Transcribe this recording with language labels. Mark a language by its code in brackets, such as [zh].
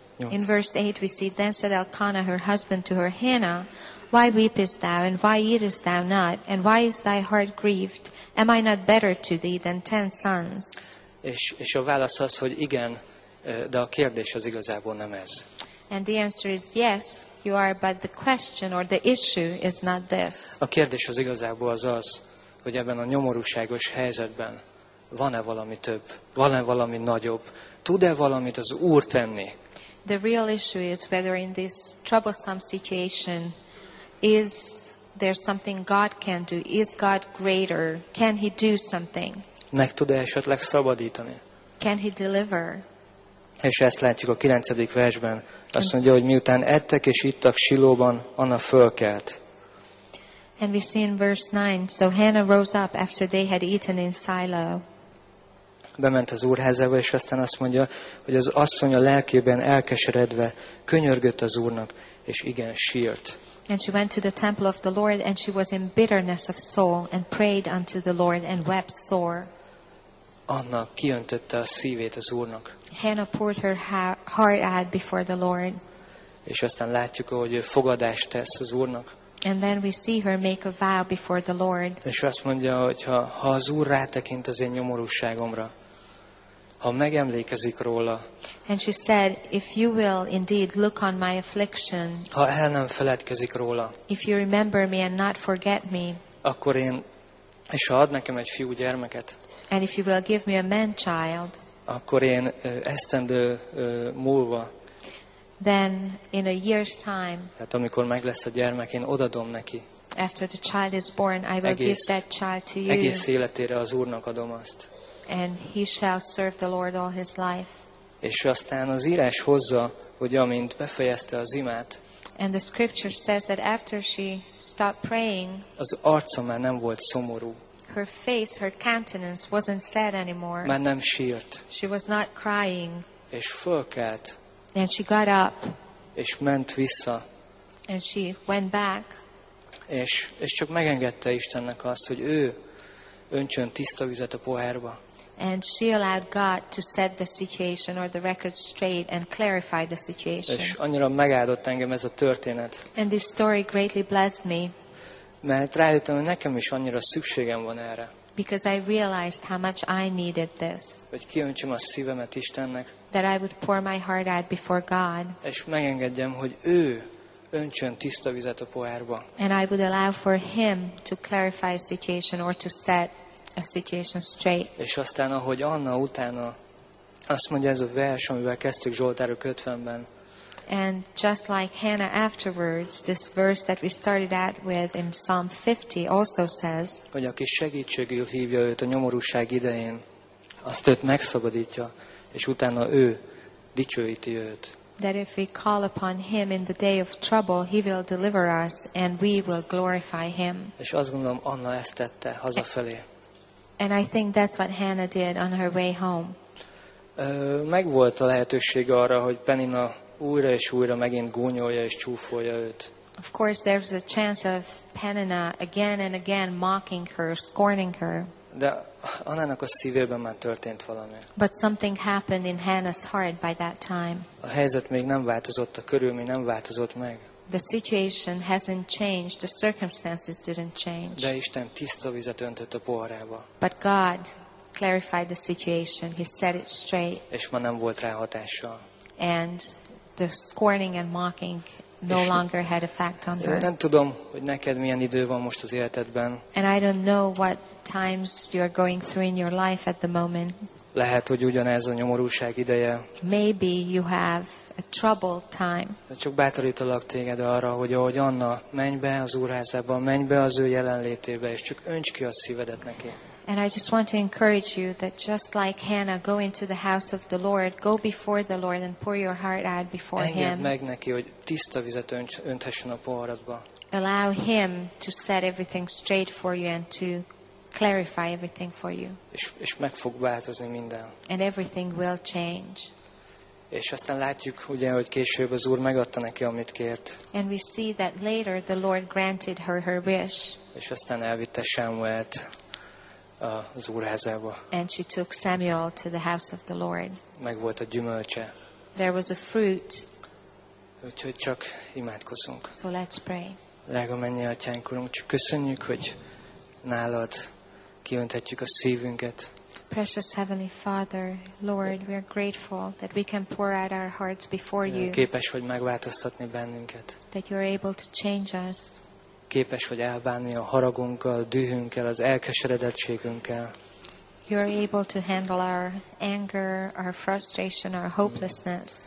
[en] In verse 8 we see, then said Elkanah her husband to her, Hannah, why weepest thou, and why eatest thou not, and why is thy heart grieved? Am I not better to thee than 10 sons? [hu] És a válasz az, hogy igen, de a kérdés az igazából nem ez. [en] And the answer is yes, you are, but the question or the issue is not this. [hu] A kérdés az igazából az az, hogy ebben a nyomorúságos helyzetben van-e valami több, van-e valami nagyobb, tud-e valamit az Úr tenni? [en] The real issue is whether in this troublesome situation is there something God can do, is God greater, can he do something? [hu] Meg tud-e esetleg szabadítani? [en] Can he deliver? [hu] És ezt látjuk a 9. versben. Azt mondja, hogy miután ettek és ittak Silóban, Anna fölkelt. [en] And we see in verse 9, so Hannah rose up after they had eaten in Silo. [hu] Bement az úrházába, és aztán azt mondja, hogy az asszony a lelkében elkeseredve könyörgött az Úrnak, és igen, sírt. [en] And she went to the temple of the Lord, and she was in bitterness of soul, and prayed unto the Lord, and wept sore. [hu] Anna kiöntötte a szívét az Úrnak. [en] Hannah poured her heart out before the Lord. [hu] És aztán látjuk, hogy ő fogadást tesz az Úrnak. [en] And then we see her make a vow before the Lord. [hu] És azt mondja, hogy ha az Úr rátekint az én nyomorúságomra, ha megemlékezik róla. [en] And she said, if you will indeed look on my affliction. [hu] Ha el nem feledkezik róla. [en] If you remember me and not forget me. [hu] Akkor én, és ha ad nekem egy fiú gyermeket. [en] And if you will give me a man child. [hu] Akkor én esztendő múlva. [en] Then in a year's time. [hu] Hát amikor meg lesz a gyermek, én odadom neki. [en] After the child is born, I will give that child to you. [hu] Egész életére az Úrnak adom azt. [en] And he shall serve the Lord all his life. [hu] És aztán az írás hozza, hogy amint befejezte az imát. [en] And the scripture says that after she stopped praying. [hu] Az arca már nem volt szomorú. [en] Her face, her countenance wasn't sad anymore. [hu] Már nem sírt. [en] She was not crying. [hu] És fölkelt. [en] And she got up. [hu] És ment vissza. [en] And she went back. [hu] És csak megengedte Istennek azt, hogy ő öntsön tiszta vizet a pohárba. [en] And she allowed God to set the situation or the record straight and clarify the situation. [hu] És annyira megáldott engem ez a történet. [en] And this story greatly blessed me. [hu] Mert rájöttem, hogy nekem is annyira szükségem van erre. [en] Because I realized how much I needed this. [hu] Hogy kiöntsem a szívemet Istennek. [en] That I would pour my heart out before God. [hu] És megengedjem, hogy ő öntsön tiszta vizet a pohárba. [en] And I would allow for him to clarify a situation or to set a situation straight. [hu] És aztán, ahogy Anna utána azt mondja ez a vers, amivel kezdtük Zsoltárok 50-ben. [en] And just like Hannah afterwards, this verse that we started out with in Psalm 50 also says, [hu] hogy aki segítségül hívja őt a nyomorúság idején, azt őt megszabadítja, és utána ő dicsőíti őt. [en] That if we call upon him in the day of trouble, he will deliver us and we will glorify him. [hu] És azt gondolom, Anna ezt tette hazafelé. [en] And I think that's what Hannah did on her way home. [hu] Megvolt a lehetőség arra, hogy Penina újra és újra megint gúnyolja és csúfolja őt. [en] Of course there was a chance of Penina again and again mocking her, scorning her. [hu] De Annának a szívében már történt valami. [en] But something happened in Hannah's heart by that time. [hu] A helyzet még nem változott, a körülmény nem változott meg. [en] The situation hasn't changed, the circumstances didn't change. [hu] De Isten tiszta vizet öntött a poharába. [en] But God clarified the situation. He set it straight. [hu] És ma nem volt rá hatással. [en] And the scorning and mocking no longer had a effect on her. [hu] Nem tudom, hogy neked milyen idő van most az életedben. [en] And I don't know what times you are going through in your life at the moment. [hu] Lehet, hogy ugyanez a nyomorúság ideje. [en] Maybe you have a troubled time. [hu] Csak bátorítalak téged arra, hogy ahogy Anna, menj be az Úr házába, menj be az ő jelenlétébe, és csak önts ki a szívedet neki. [en] And I just want to encourage you that just like Hannah, go into the house of the Lord, go before the Lord and pour your heart out before [hu] Engedd [en] him. [hu] Engedd meg neki, hogy tiszta vizet önthessen a poharadba. [en] Allow him to set everything straight for you and to clarify everything for you. [hu] És meg fog változni minden. [en] And everything will change. [hu] És aztán látjuk, ugye, hogy később az Úr megadta neki, amit kért. [en] And we see that later the Lord granted her her wish. [hu] És aztán elvitte Sámuelt az Úr házába. [en] And she took Samuel to the house of the Lord. [hu] Meg volt a gyümölcse. [en] There was a fruit. [hu] Úgyhogy csak imádkozunk. [en] So let's pray. [hu] Drága mennyi atyánk, Urunk, csak köszönjük, hogy nálad kiönthetjük a szívünket. [en] Precious Heavenly Father, Lord, we are grateful that we can pour out our hearts before you. [hu] Képes vagy megváltoztatni bennünket. [en] That you are able to change us. [hu] Képes vagy elbánni a haragunkkal, dühünkkel, az elkeseredettségünkkel. [en] You are able to handle our anger, our frustration, our hopelessness.